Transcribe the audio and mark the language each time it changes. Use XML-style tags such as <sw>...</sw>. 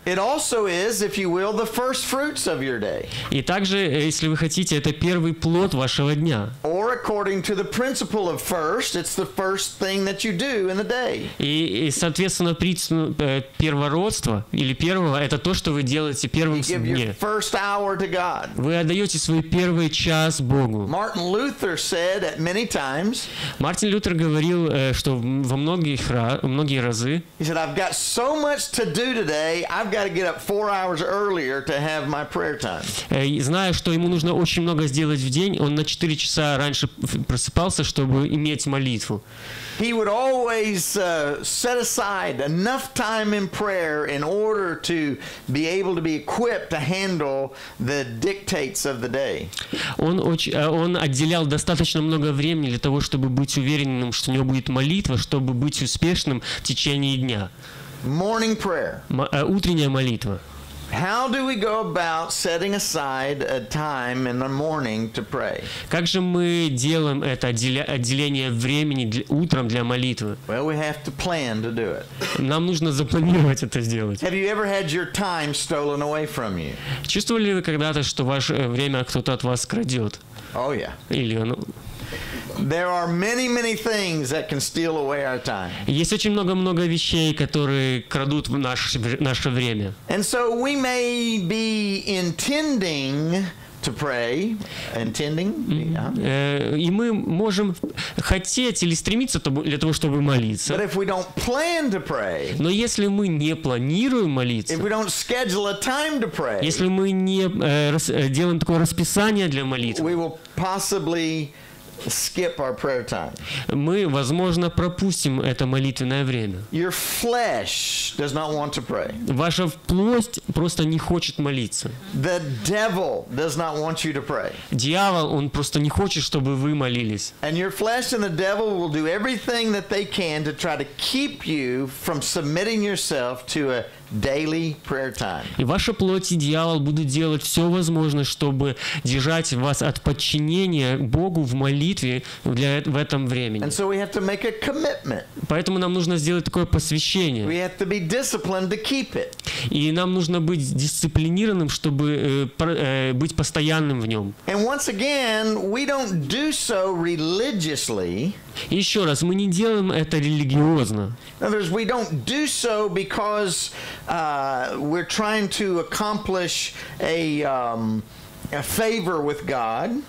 <en>It also is, if you will, the first fruits of your day.</en> <ru>И также, если вы хотите, это первый плод вашего дня.</ru> <en>Or according to the principle of first, it's the first thing that you do in the day.</en> <ru>И соответственно, принципу первородства или первого, это то, что вы делаете первым в дне.</ru> <en>You give your first hour to God.</en> <ru>Вы отдаете свой первый час Богу.</ru> <en>Martin Luther said at many times.</en> <ru>Мартин Лютер говорил, что во многие разы.</ru> <en>He said, "I've got so much to do today. I've got to get up 4 hours earlier to have my prayer time."</en> <ru>Зная, что ему нужно очень много сделать в день, он на 4 часа раньше просыпался, чтобы иметь молитву.</ru> <en>He would always set aside enough time in prayer in order to be able to be equipped to handle the dictates of the day.</en> <ru>Он отделял достаточно много времени для того, чтобы быть уверенным, что у него будет молитва, чтобы быть успешным в течение дня.</ru> <en>Morning prayer.</en> <ru>Утренняя молитва.</ru> <en>How do we go about setting aside a time in the morning to pray?</en> <ru>Как же мы делаем это отделение времени утром для молитвы?</ru> <en>Well, we have to plan to do it.</en> <ru>Нам нужно запланировать это сделать.</ru> <en>Have you ever had your time stolen away from you?</en> <ru>Чувствовали ли вы когда-то, что ваше время кто-то от вас крадет?</ru> <en>Oh yeah.</en> <ru>Или оно...</ru> <en>There are many, many things that can steal away our time.</en> <ru>Есть очень много вещей, которые крадут наше время.</ru> <en>And so we may be intending to pray, intending.</en> <ru>И мы можем хотеть или стремиться для того, чтобы молиться.</ru> <en>But if we don't plan to pray,</en> <ru>но если мы не планируем молиться,</ru> <en>if we don't schedule a time to pray,</en> <ru>если мы не делаем такое расписание для молитвы,</ru> <en>we will possibly skip our prayer time.</en> <ru>Мы, возможно, пропустим это молитвенное время.</ru> <en>Your flesh does not want to pray.</en> <ru>Ваша плоть просто не хочет молиться.</ru> <en>The devil does not want you to pray.</en> <ru>Дьявол, он просто не хочет, чтобы вы молились.</ru> <en>And your flesh and the devil will do everything that they can to try to keep you from submitting yourself to a daily prayer time.</en> <ru>И ваша плоть и дьявол будут делать все возможное, чтобы держать вас от подчинения Богу в молитве в этом времени.</ru> <en>And so we have to make a commitment.</en> <ru>Поэтому нам нужно сделать такое посвящение.</ru> <en>We have to be disciplined to keep it.</en> <ru>И нам нужно быть дисциплинированным, чтобы быть постоянным в нем.</ru> <en>And once again, we don't do so religiously.</en> <ru>Еще раз, мы не делаем это религиозно.</ru> <en>In other words, we don't do so because we're trying to accomplish a favor with God.</en>